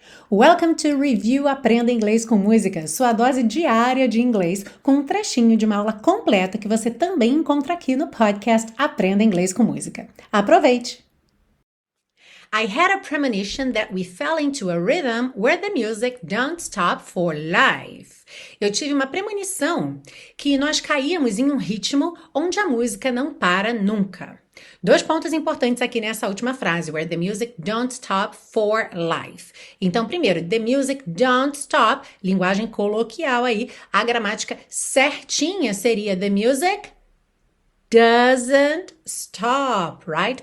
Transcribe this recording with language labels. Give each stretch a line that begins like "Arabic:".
English: Welcome to Review
Portuguese: Aprenda Inglês com Música, sua dose diária de inglês, com um trechinho de uma aula completa que você também encontra aqui no podcast Aprenda Inglês com Música. Aproveite!
English: I had a premonition that we fell into a rhythm where the music don't stop for life.
Portuguese: Eu tive uma premonição que nós caíamos em um ritmo onde a música não para nunca. Dois pontos importantes aqui nessa última frase,
English: where the music don't stop for life.
Portuguese: Então, primeiro,
English: the music don't stop,
Portuguese: linguagem coloquial aí, a gramática certinha seria
English: the music doesn't stop, right?